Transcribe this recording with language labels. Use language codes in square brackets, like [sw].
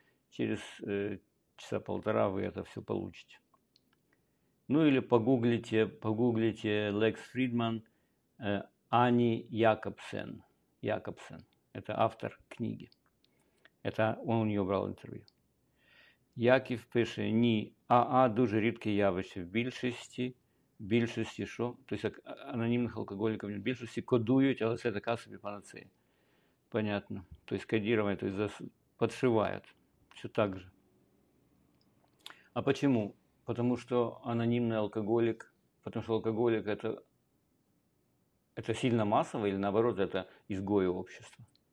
[ru] Через часа полтора вы это все получите. Ну или погуглите Лекс Фридман, Ани Якобсен. Якобсен. Это автор книги. Это он у нее брал интервью. [uk] Яків пише: ні, АА дуже рідке явище. В більшості, що? [ru] То есть анонимных алкоголиков [uk] в більшості кодують, але це така собі панацея. [ru] Понятно. То есть кодирование, то есть подшивают. Все так же. А почему? Потому что анонимный алкоголик, потому что алкоголик это сильно массово или наоборот это изгои общества.